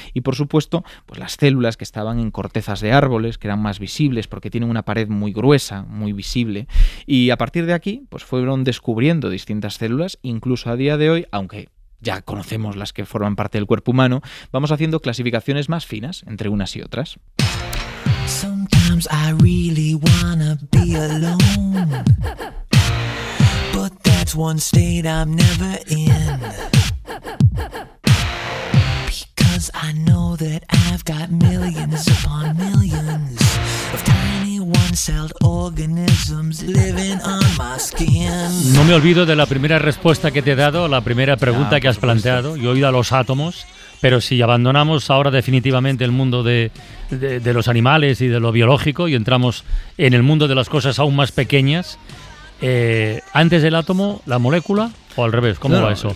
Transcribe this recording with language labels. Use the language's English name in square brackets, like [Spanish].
[Spanish] Y por supuesto, pues las células que estaban en cortezas de árboles, que eran más visibles porque tienen una pared muy gruesa, muy visible. Y a partir de aquí, pues fueron descubriendo distintas células, incluso a día de hoy, aunque ya conocemos las que forman parte del cuerpo humano, vamos haciendo clasificaciones más finas entre unas y otras. [English] Sometimes I really wanna be alone, but that's one state I'm never in, because I know that I've got millions upon millions of tiny one-celled organisms living on my skin. [Spanish] No me olvido de la primera respuesta que te he dado, la primera pregunta que has planteado. Yo he oído a los átomos, pero si abandonamos ahora definitivamente el mundo de los animales y de lo biológico y entramos en el mundo de las cosas aún más pequeñas, antes del átomo, la molécula, o al revés, ¿cómo va eso?